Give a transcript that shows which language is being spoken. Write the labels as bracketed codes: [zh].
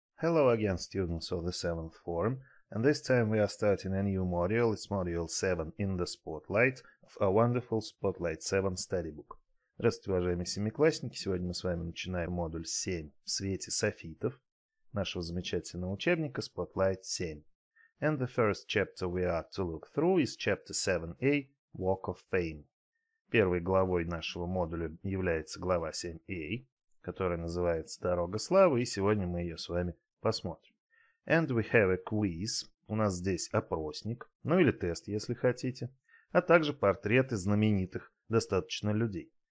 [en] Hello again, students of the 7th form, and this time we are starting a new module. It's module 7 in the spotlight of our wonderful spotlight 7 study book. [ru] Здравствуйте, уважаемые семиклассники! Сегодня мы с вами начинаем модуль 7 в свете софитов нашего замечательного учебника spotlight 7. [en] And the first chapter we are to look through is chapter 7a, Walk of Fame. [ru] Первой главой нашего модуля является глава 7a, которая называется «Дорога славы», и сегодня мы ее с вами посмотрим. [en] And we have a quiz, [ru] у нас здесь опросник, ну или тест, если хотите, а также портреты знаменитых достаточно людей.